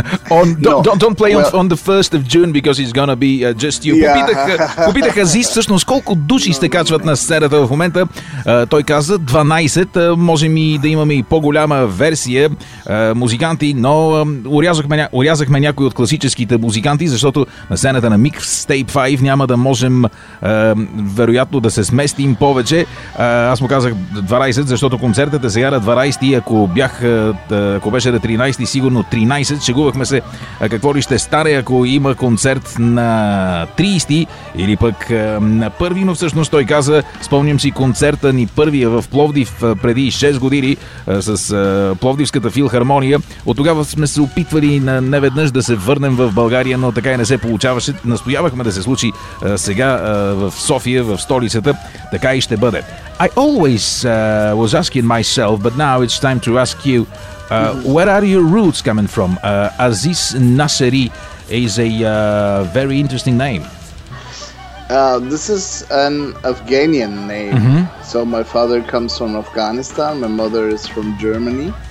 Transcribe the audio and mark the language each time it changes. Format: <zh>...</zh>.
<en>On, don't play on the 1st of June because it's going to be just you.</en> <bg>Попитаха Азис всъщност колко души ще качват на сцената в момента. Той каза 12, можем и да имаме и по-голяма версия музиканти, но урязахме някои от класическите музиканти, защото на сцената на Mixtape 5 няма да можем вероятно да се сместим повече. Аз му казах 12, защото концертът е сега на 12, ако бях, ако беше на 13, сигурно 13, шегувахме се какво ли ще стане, ако има концерт на 30 или пък на 1, но всъщност той каза, спомням си концерта ни първия в Пловдив преди 6 години с Пловдивската филхармония. От тогава сме се опитвали неведнъж да се върнем в България, но така и не се получаваше. Настоявахме да се случи сега в София, в столицата. Така и ще бъде.</bg> <en>I always was asking myself, but now it's time to ask you, where are your roots coming from? Aziz Nasseri is a very interesting name. This is an Afghanian name. Mm-hmm. So my father comes from Afghanistan, my mother is from Germany.</en>